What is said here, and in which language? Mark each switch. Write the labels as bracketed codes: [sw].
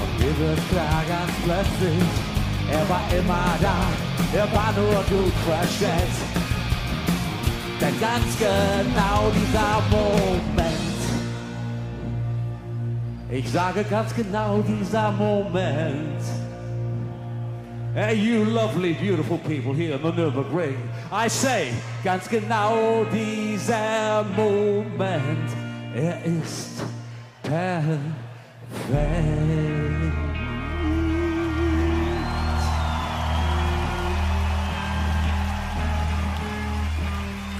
[de] Und mir wird klar ganz plötzlich, er war immer da, er war nur gut versteckt. Denn ganz genau dieser Moment, ich sage ganz genau dieser Moment. [en] Hey, you lovely, beautiful people here in the Nürburgring. I say, [de] ganz genau dieser Moment, er ist perfekt.